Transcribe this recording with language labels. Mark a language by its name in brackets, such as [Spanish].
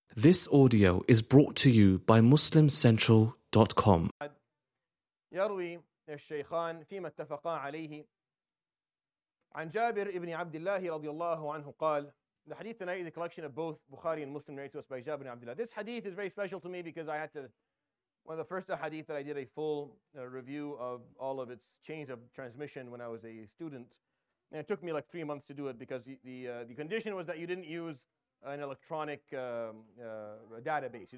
[English] This audio is brought to you by MuslimCentral.com. [Arabic] يروي الشيخان فيما اتفقا عليه عن جابر ابن عبد الله رضي الله عنه قال. [English] The hadith tonight is a collection of both Bukhari and Muslim narrated to us by Jabir ibn Abdullah. This hadith is very special to me because I had to, one of the first hadith that I did a full review of all of its chains of transmission when I was a student. And it took me like 3 months to do it because the condition was that you didn't use an electronic database.